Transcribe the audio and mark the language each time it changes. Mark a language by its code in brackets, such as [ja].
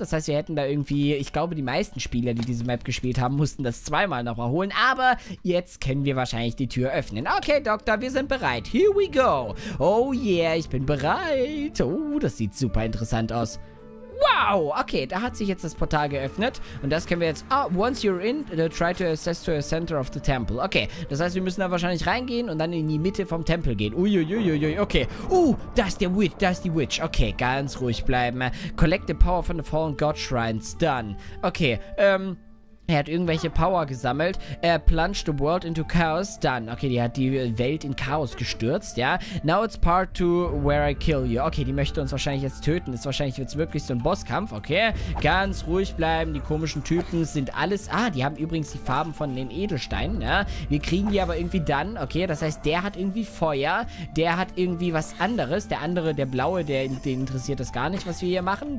[de] Das heißt, wir hätten da irgendwie, ich glaube, die meisten Spieler, die diese Map gespielt haben, mussten das 2-mal nochmal holen. Aber jetzt können wir wahrscheinlich die Tür öffnen. Okay, Doktor, wir sind bereit. [en] Here we go. [de] Oh yeah, ich bin bereit. Oh, das sieht super interessant aus. Wow, okay, da hat sich jetzt das Portal geöffnet. Und das können wir jetzt... [en] Ah, once you're in, try to access to the center of the temple. [de] Okay, das heißt, wir müssen da wahrscheinlich reingehen und dann in die Mitte vom Tempel gehen. Uiuiuiui, okay. Da ist der Witch, da ist die Witch. Okay, ganz ruhig bleiben. [en] Collect the power from the fallen god shrines, done. [de] Okay, er hat irgendwelche Power gesammelt. Er [en] plunged the world into chaos. Done. [de] Okay, die hat die Welt in Chaos gestürzt, ja. [en] Now it's part 2 where I kill you. [de] Okay, die möchte uns wahrscheinlich jetzt töten. Ist wahrscheinlich jetzt wirklich so ein Bosskampf, okay. Ganz ruhig bleiben. Die komischen Typen sind alles... Ah, die haben übrigens die Farben von den Edelsteinen, ja. Wir kriegen die aber irgendwie dann, okay. Das heißt, der hat irgendwie Feuer. Der hat irgendwie was anderes. Der andere, der blaue, den interessiert das gar nicht, was wir hier machen.